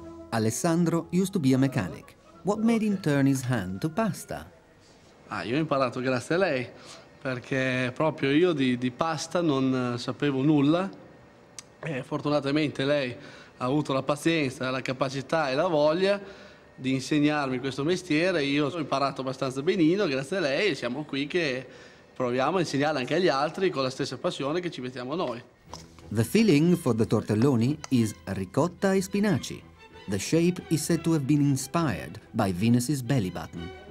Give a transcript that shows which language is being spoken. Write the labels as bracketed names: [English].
[English] Alessandro used to be a mechanic. What made him turn his hand to pasta? [Italian] Ah, io ho imparato grazie a lei, perché proprio io di pasta non sapevo nulla. E fortunatamente lei ha avuto la pazienza, la capacità e la voglia di insegnarmi questo mestiere. Io ho imparato abbastanza benino grazie a lei e siamo qui che proviamo a insegnare anche agli altri con la stessa passione che ci mettiamo noi. [English] The filling for the tortelloni is ricotta e spinaci. The shape is said to have been inspired by Venus's belly button.